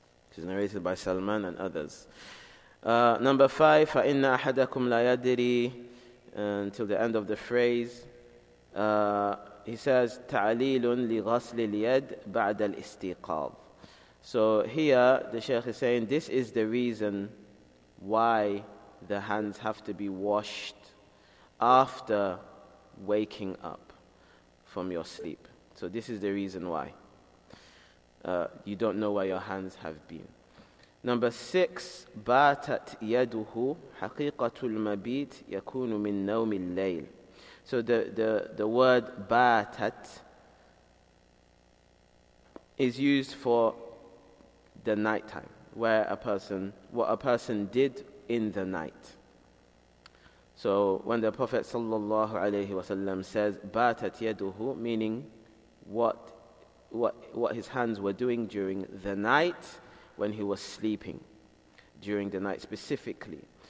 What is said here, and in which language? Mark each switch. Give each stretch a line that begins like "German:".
English: It is narrated by Salman and others. Number five,
Arabic: فَإِنَّ أَحَدَكُمْ لَا يَدْرِي,
English: until the end of the phrase. He says,
Arabic: تَعَلِيلٌ لِغَسْلِ الْيَدْ بَعْدَ الْإِسْتِيقَاظِ.
English: So here, the Shaykh is saying, this is the reason why the hands have to be washed after waking up from your sleep. So this is the reason why. You don't know where your hands have been. Number six,
Arabic: بَاتَتْ يَدُهُ حَقِيقَةُ الْمَبِيتِ يَكُونُ مِنْ نَوْمِ اللَّيْلِ.
English: So the word batat is used for the night time, what a person did in the night. So when the Prophet sallallahu alayhi wasallam says batat yaduhu, meaning what his hands were doing during the night when he was sleeping, during the night specifically.